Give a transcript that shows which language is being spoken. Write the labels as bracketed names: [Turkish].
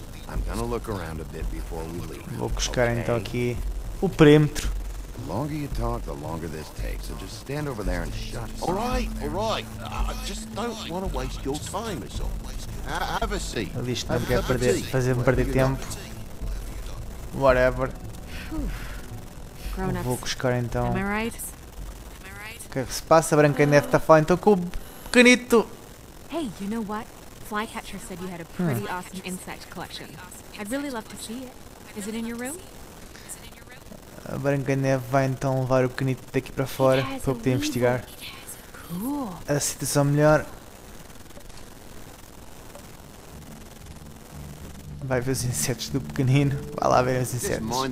[English] I'm gonna look around a bit before we leave. [Portuguese] Vou buscar então aqui o perímetro. [English] The longer you talk, the longer this takes. So just stand over there and shut. All right. I just don't want to waste your time, is all. Have a seat. At least [Portuguese] não quero perder, fazer-me perder tempo. [English] Whatever. [Portuguese] Vou buscar então. [English] Am I right? [Portuguese] O que é que se passa? A Branca de Neve está a falar então com o pequenito. [English] Hey, you know what? Flycatcher said you had a pretty awesome insect collection. I'd really love to see it. Is it in your room? [Portuguese] A Branca Neve vai então levar o pequenito daqui para fora para poder investigar a situação melhor. Vai ver os insetos do pequenino. Vai lá ver os insetos.